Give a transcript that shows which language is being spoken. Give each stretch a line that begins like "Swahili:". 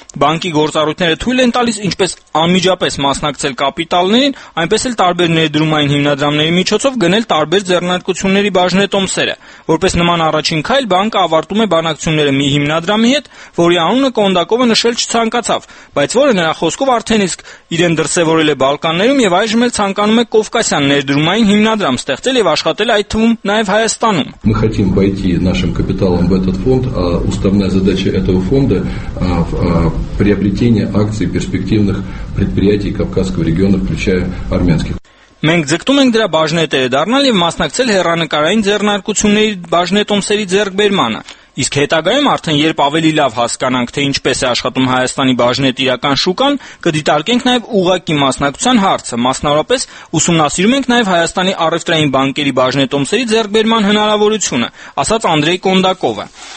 Armenian: բանկի գործառույթները թույլ են տալիս ինչպես անմիջապես մասնակցել կապիտալներին, այնպես էլ տարբեր ներդրումային հիմնադրամների միջոցով գնել տարբեր ձեռնարկությունների բաժնետոմսերը։ Որպես նման առաջին քայլ, բանկը ավարտում է բանակցությունները մի հիմնադրամի հետ, որի անունը Կոնդակովը նշել չցանկացավ, բայց որը նրա խոսքով արդեն իսկ իրեն դրսևորել է Բալկաններում և այժմ մենք ցանկանում ենք Կովկասյան ներդրումային հիմնադրամ ստեղծել եւ աշխատել այդ թվում նաեւ Հայաստանում։
Russian: Мы хотим войти нашим капиталом в этот фонд, а уставная задача этого фонда приобретение акций перспективных предприятий Кавказского региона, включая армянских։
Armenian: Մենք ձգտում ենք դրա բաժնետերը դառնալ եւ մասնակցել հերանեկարային ձեռնարկությունների բաժնետոմսերի ձեռքբերմանը։ Իսկ հետագայում արդեն երբ ավելի լավ հասկանանք, թե ինչպես է աշխատում Հայաստանի բաժնետիրական շուկան, կդիտարկենք նաև ուղակի մասնակցության հարցը, մասնավորապես ուսումնասիրում ենք նաև Հայաստանի առևտրային բանկերի բաժնետոմսերի ձեռքբերման հնարավորությունը, ասաց Անդրեյ Կոնդակովը։